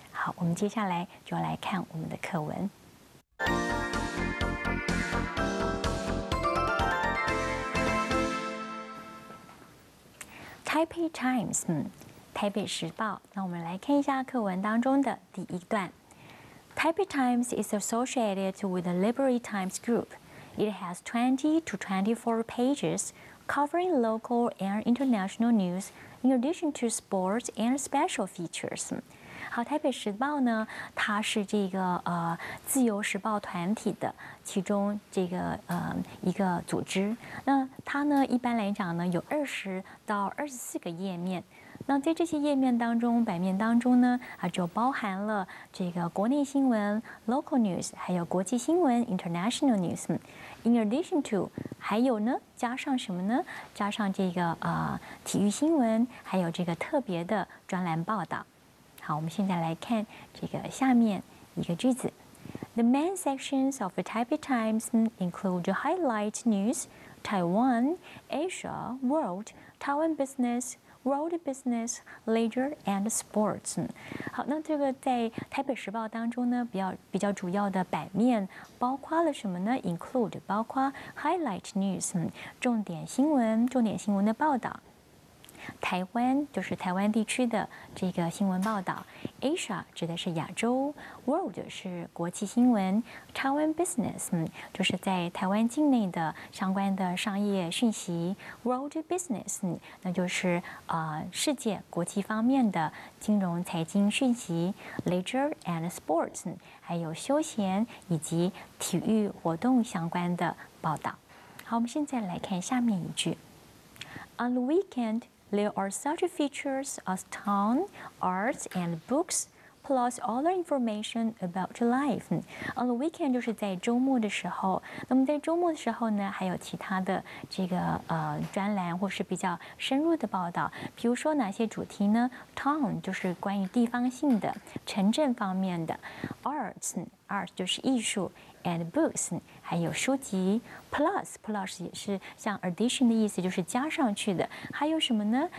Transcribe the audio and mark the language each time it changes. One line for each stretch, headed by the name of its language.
Chinese: 好，我们接下来就来看我们的课文。 Taipei Times， 台北时报。那我们来看一下课文当中的第一段。
English: Taipei Times is associated with the Liberty Times Group. It has 20 to 24 pages covering local and international news in addition to sports and special features.
Chinese: 好，台北时报呢，它是这个自由时报团体的其中这个一个组织。那它呢，一般来讲呢，有20到24个页面。那在这些页面当中，版面当中呢，啊，就包含了这个国内新闻 （local news），还有国际新闻 （international news）。 In addition to，还有呢，加上什么呢？加上这个体育新闻，还有这个特别的专栏报道。好，我们现在来看这个下面一个句子。
English: The main sections of the Taipei Times include highlight news, Taiwan, Asia, world, Taiwan business, world business, leisure and sports.
Chinese: 好，那这个在台北时报当中呢，比较主要的版面包括了什么呢？ Include 包括 highlight news, 重点新闻的报道。台湾就是台湾地区的这个新闻报道 ，Asia 指的是亚洲 ，World 是国际新闻 ，Taiwan Business 就是在台湾境内的相关的商业讯息 ，World Business 那就是世界国际方面的金融财经讯息 ，Leisure and Sports 还有休闲以及体育活动相关的报道。好，我们现在来看下面一句 ， On the weekend。
English: There are such features as town, arts, and books, plus other information about life.
Chinese: On the weekend 就是在周末的时候。那么在周末的时候呢，还有其他的这个专栏或是比较深入的报道。比如说哪些主题呢 ？Town 就是关于地方性的城镇方面的 ，arts 就是艺术。 And books 还有书籍 plus 也是像 addition 的意思，就是加上去的。还有什么呢？